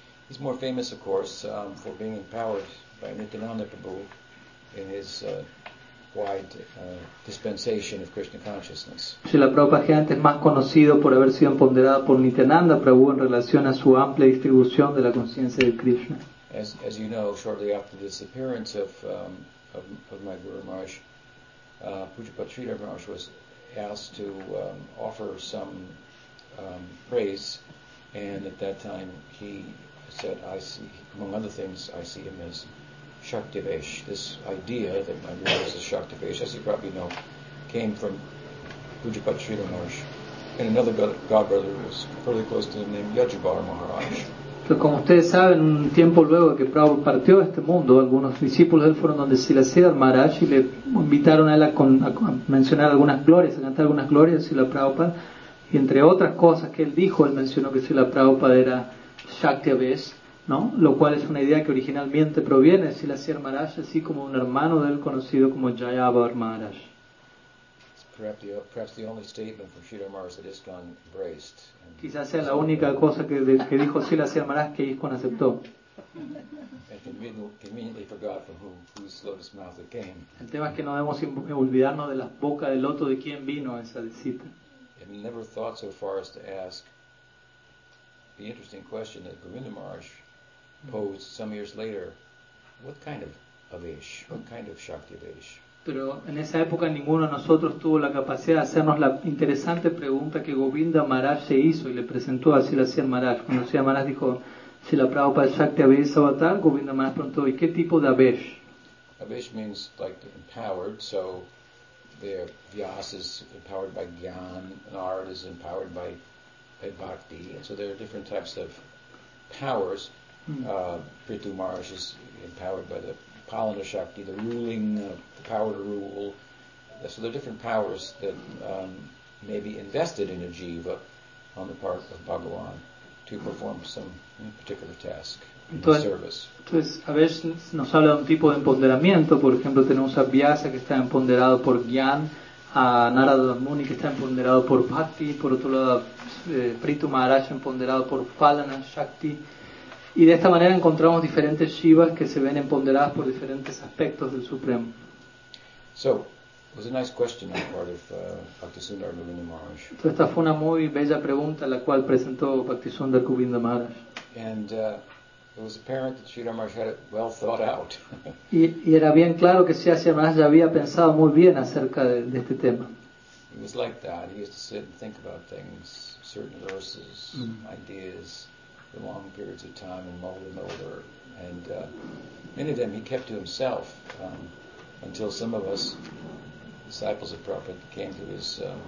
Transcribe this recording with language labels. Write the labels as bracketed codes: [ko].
[en] He's more famous, of course, for being empowered by Nityananda Prabhu in his wide dispensation of Krishna consciousness. [es] Srila Prabhupada es más conocido por haber sido empoderado por Nityananda Prabhu en relación a su amplia distribución de la conciencia de Krishna. [en] As you know, shortly after the disappearance of my Guru Maharaj, Pujapati Sridhar Maharaj was asked to offer some praise, and at that time he said, I see, among other things, I see him as Shaktivesh. This idea that my guru is a Shaktivesh, as you probably know, came from Pujapati Sridhar Maharaj and another god brother who was fairly close to him named Yajubar Maharaj. [es] Pero como ustedes saben, un tiempo luego de que Prabhupada partió de este mundo, algunos discípulos de él fueron donde Srila Sridhar Maharaj y le invitaron a él a mencionar algunas glorias, a cantar algunas glorias de Srila Prabhupada. Y entre otras cosas que él dijo, él mencionó que Srila Prabhupada era Shaktivesh, ¿no? Lo cual es una idea que originalmente proviene de Srila Sridhar Maharaj, así como un hermano de él conocido como Jayabhar Maharaj. [en] Perhaps the only statement from Sridhar Maharaj that ISKCON embraced. [es] Quizás sea la única cosa que dijo Srila Sridhar Maharaj que ISKCON aceptó. [en] And conveniently forgot from whose lotus mouth it came. [es] El tema es que no debemos olvidarnos de la boca del loto de quien vino esa cita. [en] And never thought so far as to ask the interesting question that Govinda Maharaj posed some years later. What kind of Avesh? What kind of Shakti Avesh? [es] Pero en esa época ninguno de nosotros tuvo la capacidad de hacernos la interesante pregunta que Govinda Maharaj se hizo y le presentó a Srila Sian Maharaj. Cuando Sian Maharaj dijo, si la Prabhupada Shakti Avesh Avatar, Govinda Maharaj preguntó, ¿y qué tipo de Avesh? [en] Avesh means like empowered, so their Vyas is empowered by Gyan, Narad is empowered by Bhakti, so there are different types of powers. Prithu Maharaj is empowered by the Palana Shakti, the ruling, the power to rule. So there are different powers that may be invested in a jiva on the part of Bhagavan to perform some particular task in his service. [es] Entonces, a veces nos habla de un tipo de empoderamiento. Por ejemplo, tenemos a Vyasa que está empoderado por Gyan, a Narada Muni que está empoderado por Bhakti, por otro lado, Prithu Maharaj empoderado por Palana Shakti. Y de esta manera encontramos diferentes Shivas que se ven empoderadas por diferentes aspectos del Supremo. [en] So, it was a nice question on the part of Bhaktisundar Govinda Maharaj. [es] Esta fue una muy bella pregunta la cual presentó Bhaktisundar Govinda Maharaj. [en] And it was apparent that Sridhar Maharaj had it well thought out. [es] Y era bien claro que Sri Maharaj ya había pensado muy bien acerca de este tema. [en] He was like that. He used to sit and think about things, certain verses, ideas, the long periods of time and mold them over, and many of them he kept to himself until some of us disciples of Prabhupada came to his